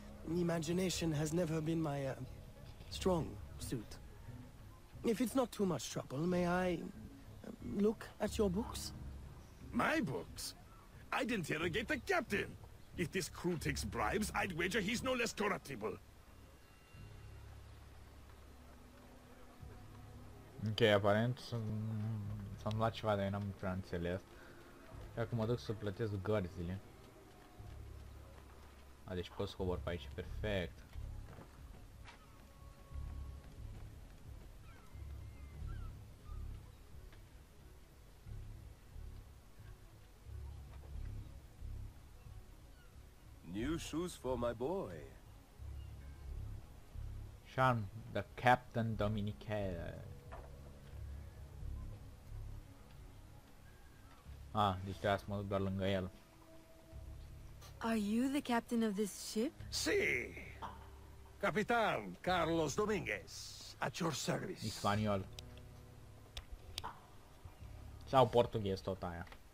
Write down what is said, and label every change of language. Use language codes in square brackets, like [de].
[en] Imagination has never been my, strong suit. If it's not too much trouble, may I... look at your books? My books? I'd interrogate the captain! If this crew takes bribes, I'd wager he's no less corruptible. [ro] Ok, aparent s-am luat ceva, dar eu n-am prea înțeles. Și acum mă duc să plătesc gărzile. A, deci pot să cobor pe aici, perfect. [en] New shoes for my boy. Sean, the Captain Dominique. [ro] Ah, deci trebuie să mă duc doar lângă el. [en] Are you the captain of this ship? Si! Capitan Carlos Dominguez, at your service. [ro] Ispaniol. Sau portughez tot aia.